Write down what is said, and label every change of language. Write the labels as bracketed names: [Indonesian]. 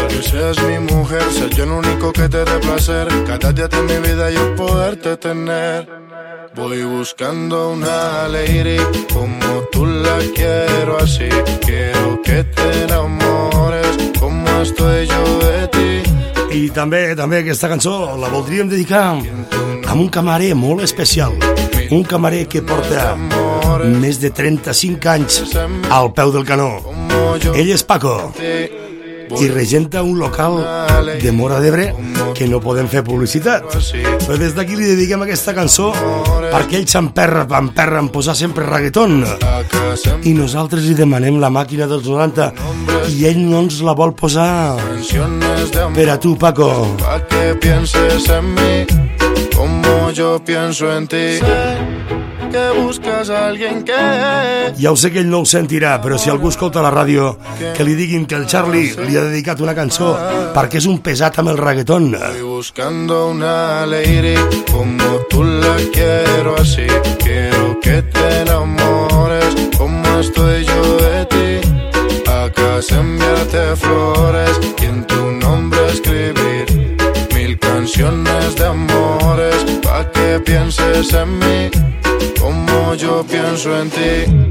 [Spanish] Que seas mi mujer, ser yo el único que te dé placer, cada día de mi vida yo poderte tener. Voy buscando una lady como tú, la quiero así. Quiero que te enamores como estoy yo de ti. [Catalan] I també, també aquesta cançó la voldríem dedicar a un camarer molt especial, un camarer que porta més de 35 anys al peu del canó. Ell és Paco i regenta un local de Móra d'Ebre que no podem fer publicitat, però des d'aquí li dediquem aquesta cançó perquè ell s'emperra en posar sempre reggaeton i nosaltres li demanem La màquina dels 90 i ell no ens la vol posar. Per a tu, Paco. [Spanish] Pa' que pienses en mi como yo pienso en ti. Que busques alguien que... [Catalan] Ja ho sé que ell no ho sentirà, però si algú escolta la ràdio, que li diguin que el Charlie li ha dedicat una cançó perquè és un pesat amb el reggaeton. [Spanish] Estoy buscando una lady como tú, la quiero así. Quiero que te enamores como estoy yo de ti. Acaso enviarte flores y en tu nombre escribir mil canciones de amores pa' que pienses en mí como yo pienso en ti.